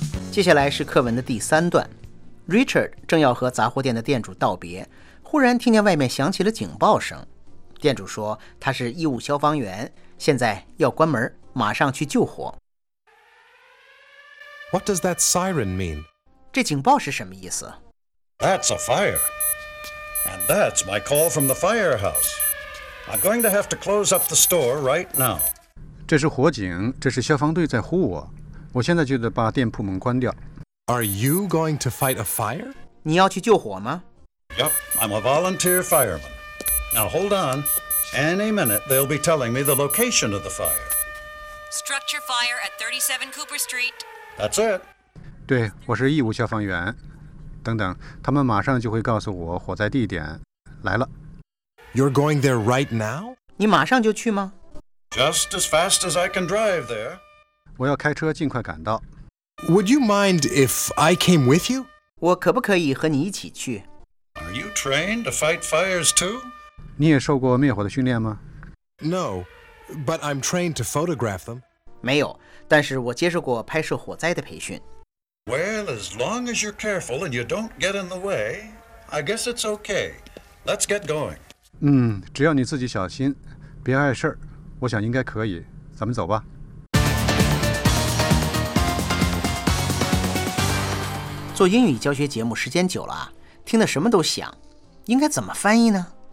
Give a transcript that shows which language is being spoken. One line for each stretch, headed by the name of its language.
Chinese: 接下来是课文的第三段， Richard 正要和杂货店的店主道别，忽然听见外面响起了警报声，店主说他是义务消防员，现在要关门，马上去救火。
English: What does that siren mean?
Chinese: 这警报是什么意思？
English: That's a fire. And that's my call from the firehouse. I'm going to have to close up the store right now.
Chinese: 这是火警，这是消防队在呼我，我现在就得把店铺门关掉。
English: Are you going to fight a fire?
Chinese: 你要去救火吗？
English: Yep, I'm a volunteer fireman. Now hold on. Any minute they'll be telling me the location of the fire. Structure fire at 37 Cooper Street. That's it.
Chinese: 对，我是义务消防员。等等，他们马上就会告诉我火灾地点。来了。
English: You're going there right now?
Chinese: 你马上就去吗？
English: Just as fast as I can drive there.
Chinese: 我要开车尽快赶到。
English: Would you mind if I came with you?
Chinese: 我可不可以和你一起去？
English: Are you trained to fight fires too?
Chinese: 你也受过灭火的训练吗？
English: No, but I'm trained to photograph them.
Chinese: 没有，但是我接受过拍摄火灾的培训。
English: Well, as long as you're careful and you don't get in the way, I guess it's okay. Let's get going.
Chinese: 只要你自己小心，别碍事儿，我想应该可以，咱们走吧。做英语教学节目时间久了，听得什么都想，应该怎么翻译呢？